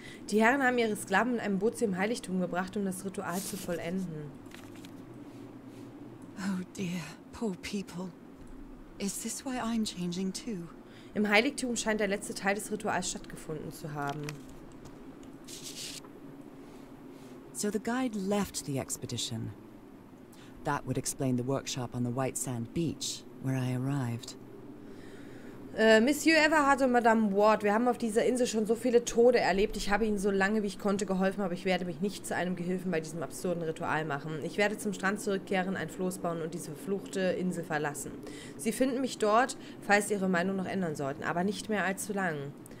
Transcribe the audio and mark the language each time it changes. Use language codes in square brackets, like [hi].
[de] Die Herren haben ihre Sklaven in einem Boot zum Heiligtum gebracht, um das Ritual zu vollenden. [en] Oh dear, poor people. Is this why I'm changing too? Im Heiligtum scheint der letzte Teil des Rituals stattgefunden zu haben. So the guide left the expedition. that would explain the workshop on the White Sand Beach, where I arrived. [de] Monsieur Everhard und Madame Ward, wir haben auf dieser Insel schon so viele Tode erlebt. Ich habe ihnen so lange, wie ich konnte, geholfen, aber ich werde mich nicht zu einem Gehilfen bei diesem absurden Ritual machen. Ich werde zum Strand zurückkehren, ein Floß bauen und diese verfluchte Insel verlassen. Sie finden mich dort, falls sie ihre Meinung noch ändern sollten, aber nicht mehr allzu lang.